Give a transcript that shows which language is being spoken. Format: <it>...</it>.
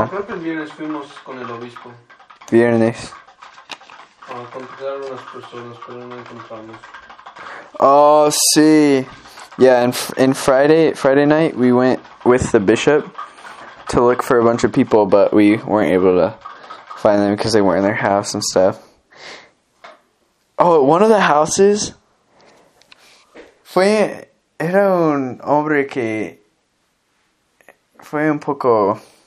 <es>No, creo que el viernes fuimos con el obispo. Viernes. A contactar a unas personas, pero no encontramos. Oh, sí.</es> <en>Yeah, in Friday night, we went with the bishop to look for a bunch of people, but we weren't able to find them because they were in their house and stuff. Oh, one of the houses</en> <es>era un hombre que fue un poco</es>